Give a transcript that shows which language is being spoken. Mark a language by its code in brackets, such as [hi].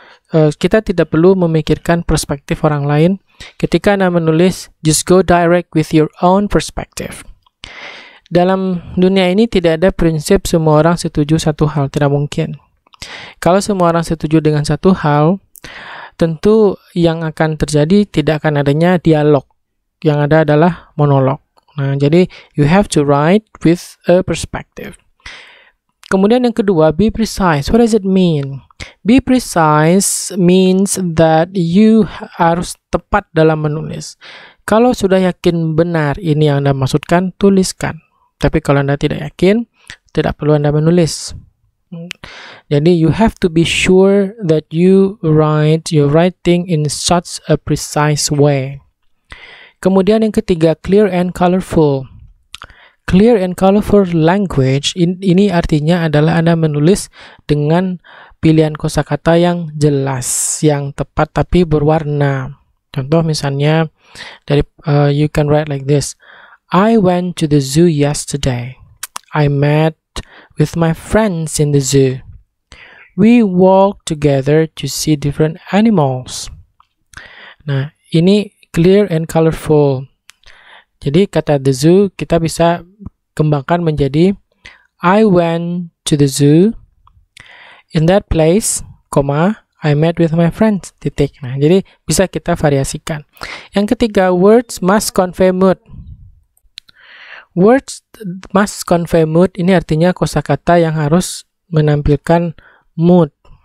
[id] Kita tidak perlu memikirkan perspektif orang lain. Ketika Anda menulis, [en] just go direct with your own perspective. [id] Dalam dunia ini tidak ada prinsip semua orang setuju satu hal. Tidak mungkin. Kalau semua orang setuju dengan satu hal, tentu yang akan terjadi tidak akan adanya dialog. Yang ada adalah monolog. Nah, jadi [en] you have to write with a perspective. [id] Kemudian yang kedua, [en] be precise. What does it mean? Be precise means that you [id] harus tepat dalam menulis. Kalau sudah yakin benar ini yang Anda maksudkan, tuliskan. Tapi kalau Anda tidak yakin, tidak perlu Anda menulis. [en] Jadi you have to be sure that you write your writing in such a precise way. [id] Kemudian yang ketiga, clear and colorful. Clear and colorful language, ini artinya adalah Anda menulis dengan pilihan kosakata yang jelas, yang tepat tapi berwarna. Contoh misalnya dari [en] you can write like this. I went to the zoo yesterday. I met with my friends in the zoo. We walked together to see different animals. [id] Nah, ini clear and colorful. Jadi kata the zoo kita bisa kembangkan menjadi [en] I went to the zoo. In that place, comma, I met with my friends. [id] Titik. Nah, jadi bisa kita variasikan. Yang ketiga, [en] words must convey mood. [id] Words must convey mood, ini artinya kosakata yang harus menampilkan mood.